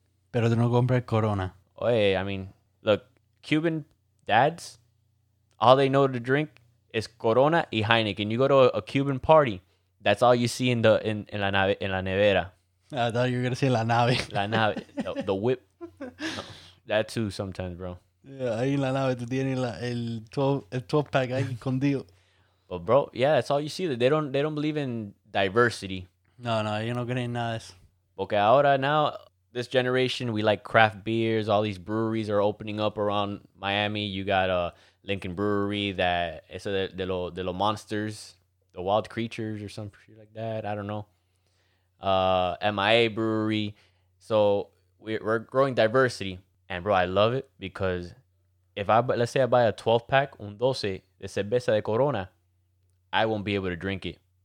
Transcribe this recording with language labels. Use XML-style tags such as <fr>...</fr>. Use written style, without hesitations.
<es>Pero no compre Corona. Oye,</es> <en>I mean, look, Cuban dads, all they know to drink is Corona y Heineken. You go to a Cuban party, that's all you see in the in</en> <es>la nave, in la nevera.</es> <en>I thought you were going to say</en> <es>la nave. La nave.</es> <en>The whip. No, that too sometimes, bro. Yeah, ahí en la nave tú tienes el 12-pack ahí escondido. But, bro, yeah, that's all you see. They don't believe in diversity.</en> <es>No, no, ellos no creen nada de eso.</es> <en>Okay,</en> <es>ahora,</es> <en>now, this generation, we like craft beers. All these breweries are opening up around Miami. You got a Lincoln Brewery that it's a de lo monsters, the wild creatures or some shit like that. I don't know. MIA Brewery. So we're growing diversity. And, bro, I love it because let's say I buy a 12-pack,</en> <es>un 12 de cerveza de Corona,</es> <en>I won't be able to drink it.</en>